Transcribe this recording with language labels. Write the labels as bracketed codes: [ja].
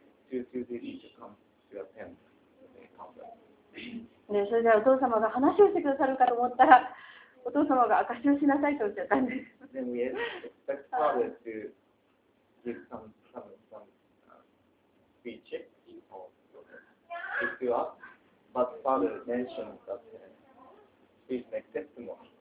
[en] Do you need to come to attend the conference? [ja] ね、それでお父様が話をしてくださるかと思ったら、お父様が証しをしなさいとおっしゃったんです。 [en] Then we expect father to give some speech or if you ask, but father mentioned that please make testimony.